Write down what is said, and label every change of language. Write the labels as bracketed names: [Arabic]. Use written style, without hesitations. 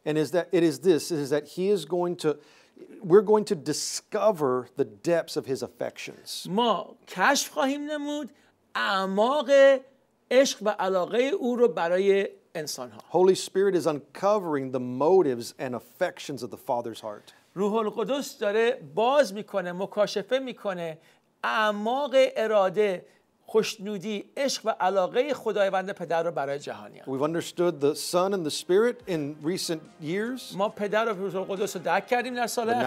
[English] And is that it is this, is that he is going to We're going to discover the depths of his affections. [Persian] ما کشف خواهیم نمود اعماق عشق و علاقه او رو برای انسان ها. [English] Holy Spirit is uncovering the motives and affections of the Father's heart. [Persian] روح القدس داره باز میکنه، مکاشفه میکنه اعماق اراده، خوشنودی، عشق و علاقه خداوند پدر رو برای جهانیان. [English] We've understood the Son and the Spirit in recent years. [Persian] ما پدر و روح القدس رو درک کردیم در سال اخیر.